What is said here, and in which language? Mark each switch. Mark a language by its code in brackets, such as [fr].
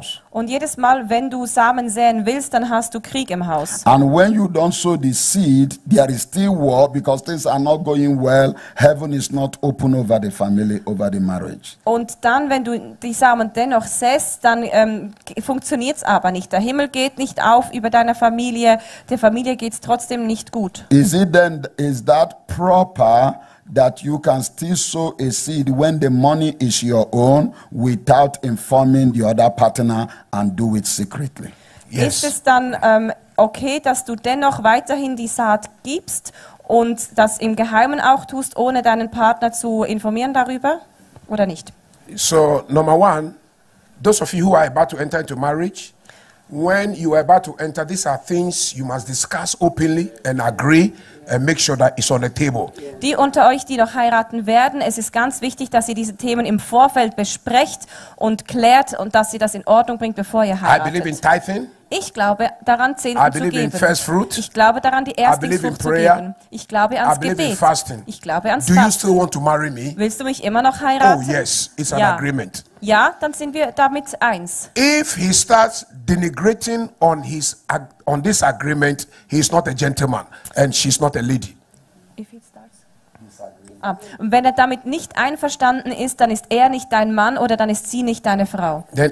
[de] Und jedes Mal, wenn du Samen säen willst, dann hast du Krieg im Haus. [en] And when you don't sow the seed, there is still war because things are not going well. Heaven is not open over the family, over the marriage. [de] Und dann, wenn du die Samen dennoch säst, dann funktioniert's aber nicht. Der Himmel geht nicht auf über deiner Familie. Der Familie geht's trotzdem nicht gut. [en] Is it then? Is that proper that you can still sow a seed when the money is your own without informing the other partner and do it secretly. Yes. [de] Ist es dann okay, dass du dennoch weiterhin die Saat gibst und das im Geheimen auch tust, ohne deinen Partner zu informieren darüber oder nicht? [en] So, number one, those of you who are about to enter into marriage, when you are about to enter, these are things you must discuss openly and agree and make sure that it's on the table. [de] Die unter euch, die noch heiraten werden, es ist ganz wichtig, dass ihr diese Themen im Vorfeld besprecht und klärt und dass ihr das in Ordnung bringt, bevor ihr heiratet. [en] I believe in tithing. [de] Ich glaube daran, Zehnten zu geben. [en] In first fruit. [de] Ich glaube daran, die erste Frucht zu geben. Ich glaube ans Gebet. [en] Fasting. [de] Ich glaube ans Fasten. [en] Do you still want to marry me? [de] Willst du mich immer noch heiraten? [en] Oh yes, it's an agreement. [de] Ja, dann sind wir damit eins. [en] If he starts denigrating on his on this agreement, he is not a gentleman and she's not a lady. [de] Und wenn er damit nicht einverstanden ist, dann ist er nicht dein Mann oder dann ist sie nicht deine Frau.